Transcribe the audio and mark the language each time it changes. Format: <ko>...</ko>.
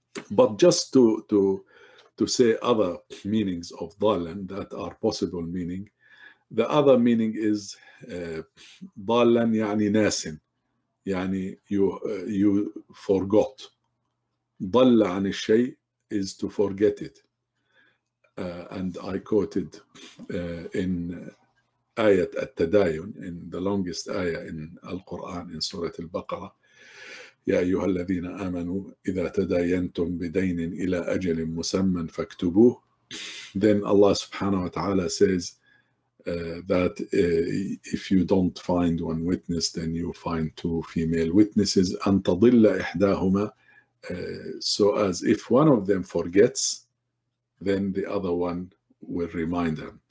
<en>But just to say other meanings of dalan that are possible meaning, the other meaning is</en> <ar>dalan yani nasin,</ar> <en>يعني you forgot.</en> <ar>ضل عن الشيء</ar> <en>is to forget it. And I quoted in</en> <ar>آية التدايون,</ar> <en>in the longest</en> <ar>آية in Al-Quran, in سورة البقرة, يا أيها الذين آمنوا إذا تداينتم بدين إلى أجل مسمى فاكتبوه.</ar> <en>Then Allah subhanahu wa ta'ala says that if you don't find one witness, then you find two female witnesses.</en> <ar>أَن تَضِلَّ إِحْدَاهُمَا,</ar> <en>so as if one of them forgets, then the other one will remind them.</en>